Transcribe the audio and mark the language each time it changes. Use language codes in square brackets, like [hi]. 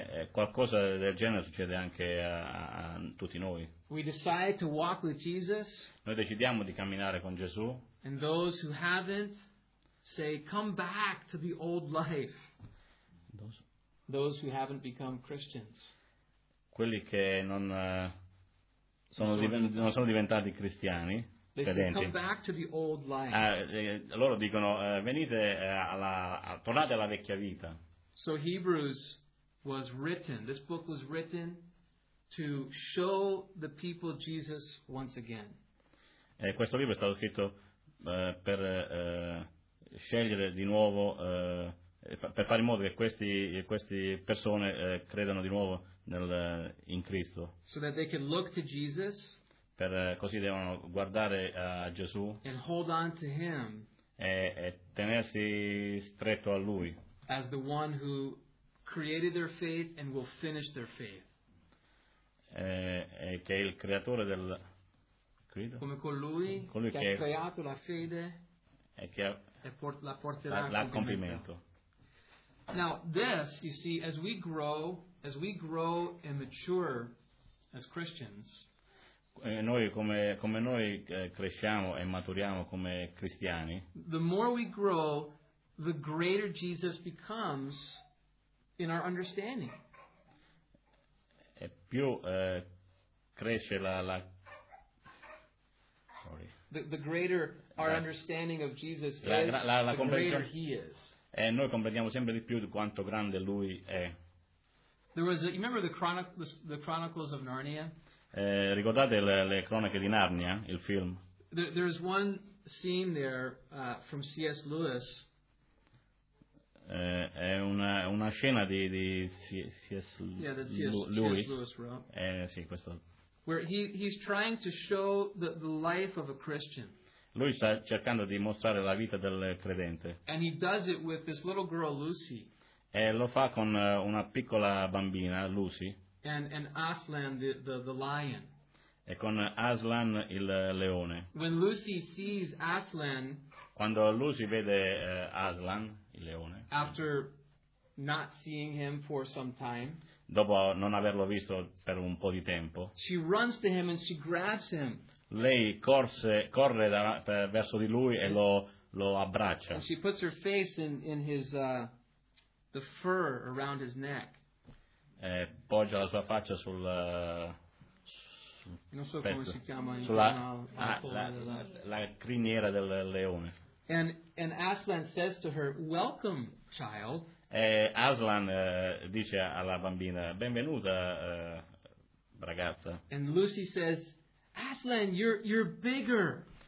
[it] Qualcosa del genere succede anche a tutti noi. [en] We decide to walk with Jesus. [it] Noi decidiamo di camminare con Gesù. [en] And those who haven't say, come back to the old life. Those who haven't become Christians. [it] Quelli che non sono diventati cristiani. [en] They come back to the old life. [it] Loro dicono venite tornate alla vecchia vita. [en] So Hebrews was written. This book was written to show the people Jesus once again. [it] Questo libro è stato scritto per scegliere di nuovo per fare in modo che queste persone credano di nuovo in Cristo. [en] So that they can look to Jesus. [it] Per così devono guardare a Gesù. [en] And hold on to him. [it] E tenersi stretto a lui. [en] As the one who created their faith and will finish their faith. [it] E che è il creatore del credo. Come colui che ha creato la fede. E che la porterà a compimento. [en] Now this, you see, as we grow and mature as Christians. [it] Noi cresciamo e maturiamo come cristiani. [en] The more we grow, the greater Jesus becomes in our understanding. [it] E più cresce [en] the greater our understanding of Jesus is, the greater he is. [it] E noi comprendiamo sempre di più di quanto grande lui è. [en] There was, you remember the Chronicles of Narnia? [it] Ricordate le cronache di Narnia, il film? [en] There is one scene there from C.S. Lewis. [it] È una scena di [en] C.S. Lewis wrote. [it] Sì, questo. [en] Where he's trying to show the life of a Christian. [it] Lui sta cercando di mostrare la vita del credente. [en] And he does it with this little girl Lucy. [it] E lo fa con una piccola bambina Lucy. [en] And Aslan the lion. [it] E con Aslan il leone. [en] When Lucy sees Aslan. [it] Quando Lucy vede Aslan il leone. [en] After not seeing him for some time. [it] Dopo non averlo visto per un po' di tempo. [en] She runs to him and she grabs him. [it] Lei corre verso di lui e lo abbraccia. [en] And she puts her face in his the fur around his neck. [it] E poggia la sua faccia sul non so come si chiama la criniera del leone. [en] And Aslan says to her, "Welcome, child." [it] E Aslan dice alla bambina, "Benvenuta, ragazza." [en] And Lucy says, "Aslan, you're bigger."